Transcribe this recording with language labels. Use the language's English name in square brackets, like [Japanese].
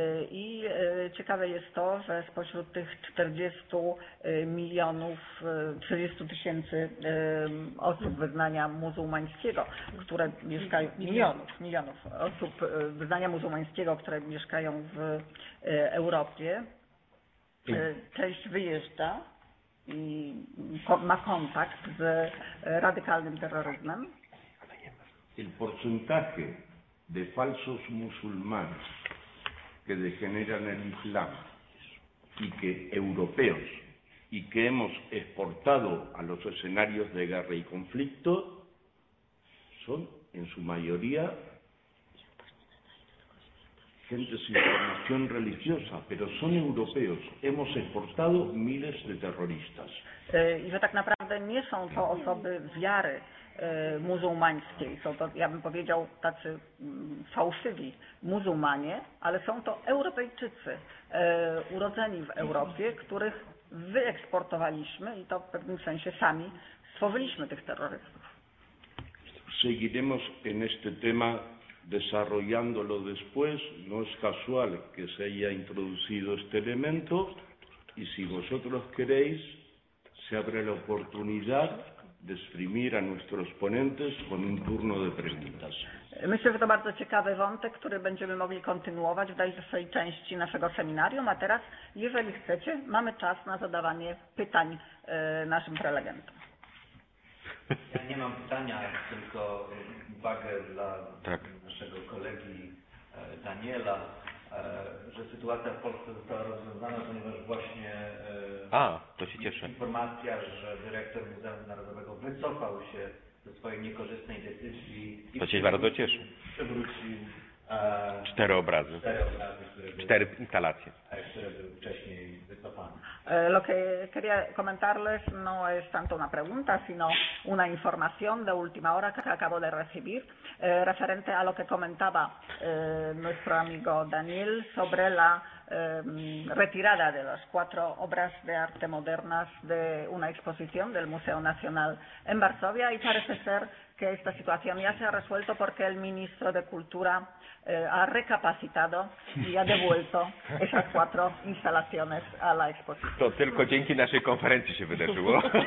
[Polish] I ciekawe jest to, że spośród tych 40 tysięcy osób wyznania muzułmańskiego, które mieszkają milionów osób wyznania muzułmańskiego, które mieszkają w Europie, część wyjeżdża i ma kontakt z radykalnym terroryzmem. [Spanish] El porcentaje de falsos musulmanes que degeneran el Islam y que europeos y que hemos exportado a los escenarios de guerra y conflicto son en su mayoría gente sin formación religiosa, pero son europeos. Hemos exportado miles de terroristas. [Polish] I że tak naprawdę nie są to osoby wiary muzułmańskiej. Są to, ja bym powiedział, tacy fałszywi muzułmanie, ale są to Europejczycy urodzeni w Europie, których wyeksportowaliśmy i to w pewnym sensie sami stworzyliśmy tych terrorystów. [Spanish] Seguiremos en este tema desarrollándolo después, no es casual que se haya introducido este elemento y si vosotros queréis, se abre la oportunidad de exprimir a nuestros ponentes con un turno de preguntas. [Polish] Myślę, że to bardzo ciekawy wątek, który będziemy mogli kontynuować w dalszej części naszego seminarium, a teraz, jeżeli chcecie, mamy czas na zadawanie pytań naszym prelegentom. Ja nie mam pytania, tylko uwagę dla tak. naszego kolegi Daniela, że sytuacja w Polsce została rozwiązana, ponieważ właśnie to się cieszę. Informacja, że dyrektor Muzeum Narodowego wycofał się ze swojej niekorzystnej decyzji. To się bardzo cieszy. Przywrócił cztery obrazy. Cztery instalacje. Które były wcześniej wycofane. [Spanish] Lo que quería comentarles no es tanto una pregunta, sino una información de última hora que acabo de recibir referente a lo que comentaba nuestro amigo Daniel sobre la retirada de las cuatro obras de arte modernas de una exposición del Museo Nacional en Varsovia y parece ser que esta situación ya se ha resuelto porque el ministro de Cultura ha recapacitado y ha devuelto esas cuatro instalaciones a la exposición. [Polish] To tylko dzięki naszej konferencji się wydarzyło.